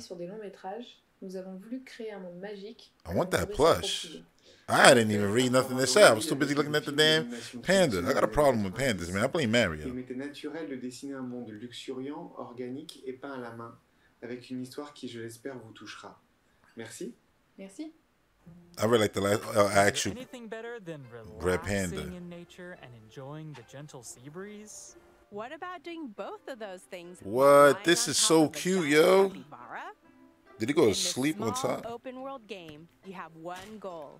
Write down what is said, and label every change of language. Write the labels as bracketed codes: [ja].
[fr] Sur des longs métrages, nous avons voulu créer un monde magique. [en] I want that plush. I didn't even read nothing they said. I was too busy looking at the damn panda. I got a problem with pandas, man. I blame Mario. [fr] Il m'était naturel de dessiner un monde luxuriant, organique et peint à la main, avec une histoire qui, je l'espère, vous touchera. Merci. Merci. [en] I really like the last. Actually, anything better than relaxing in nature and enjoying the gentle sea breeze? What about doing both of those things? What? This is so cute, yo. Did he go to sleep on top? Open world game, you have one goal.